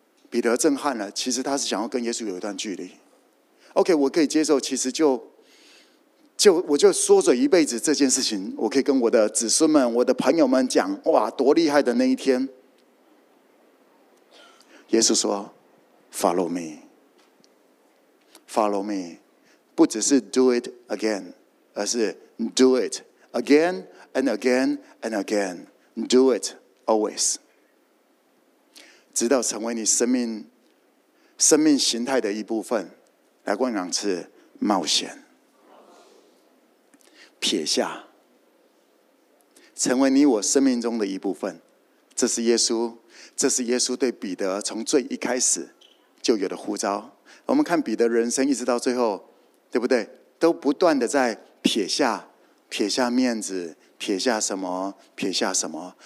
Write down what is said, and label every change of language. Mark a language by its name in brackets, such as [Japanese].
[Chinese] 彼得震撼了，其实他是想要跟耶稣有一段距离。OK， 我可以接受，其实就我就说嘴一辈子这件事情，我可以跟我的子孙们，我的朋友们讲，哇，多厉害的那一天。耶稣说 [English] Follow me， [Chinese] 不只是 [English] do it again， [Chinese] 而是 [English] do it again and again and again， do it always， [Chinese] 直到成为你生命形态的一部分。来过两次，冒险，撇下，成为你我生命中的一部分。这是耶稣，这是耶稣对彼得从最一开始就有的呼召。我们看彼得人生一直到最后，对不对？都不断的在撇下面子，撇下什么，撇下什么。